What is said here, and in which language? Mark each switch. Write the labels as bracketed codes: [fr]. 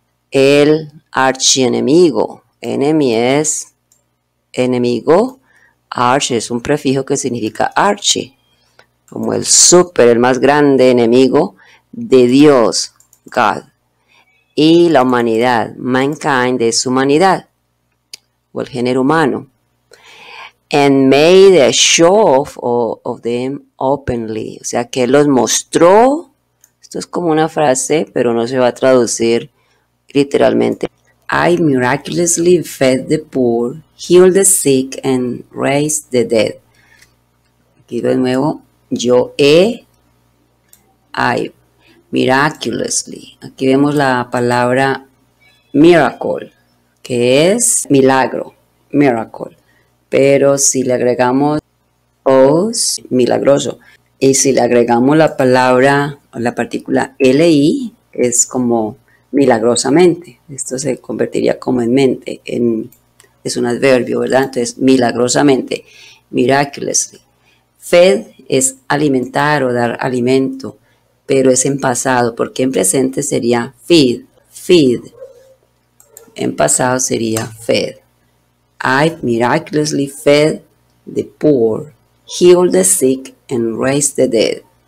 [es] El archienemigo, enemy es enemigo, arch es un prefijo que significa archi, como el super, el más grande enemigo de Dios, God, y la humanidad, mankind es humanidad, o el género humano, [en] and made a show of them openly, [es] o sea que los mostró, esto es como una frase, pero no se va a traducir literalmente. [en] I miraculously fed the poor, healed the sick, and raised the dead. [es] Aquí de nuevo, yo he, I, miraculously. Aquí vemos la palabra miracle, que es milagro, miracle. Pero si le agregamos os, milagroso. Y si le agregamos la palabra, o la partícula li, es como milagrosamente, esto se convertiría como en mente, en, es un adverbio, ¿verdad? Entonces, milagrosamente, miraculously. Fed es alimentar o dar alimento, pero es en pasado, porque en presente sería feed, feed. En pasado sería fed. [en] I miraculously fed the poor, healed the sick, and raised the dead.